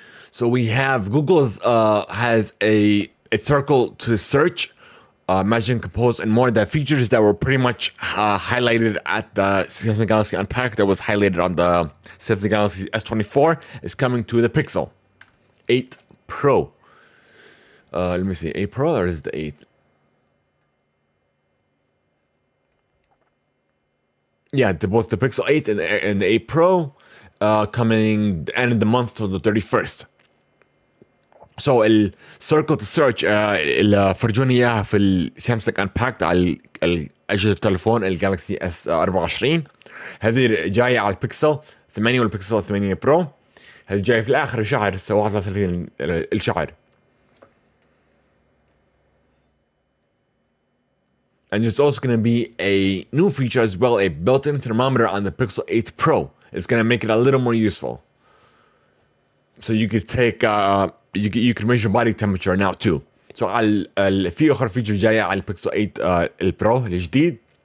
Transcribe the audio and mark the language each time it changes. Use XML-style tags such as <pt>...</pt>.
<en>So we have Google's has a circle to search, imagine, compose and more, the features that were pretty much highlighted at the Samsung Galaxy Unpacked that was highlighted on the Samsung Galaxy S24 is coming to the Pixel 8 Pro. Let me see, 8 Pro or is it the 8? Yeah, both the Pixel 8 and the 8 Pro coming the end of the month to the 31st. So, the circle to search,</en> <ar>فرجوني إياها في Samsung Unpacked على أجهزة التليفون Galaxy S24. هذه جاية على Pixel 8 والPixel 8 Pro. هذه جاية في الآخر الشهر, 31 الشهر.</ar> <en>And there's also going to be a new feature as well, a built-in thermometer on the Pixel 8 Pro. It's going to make it a little more useful. So you can take, you can measure body temperature now too.</en> <ar>So في أخر feature جاية على Pixel 8 Pro الجديد.</ar>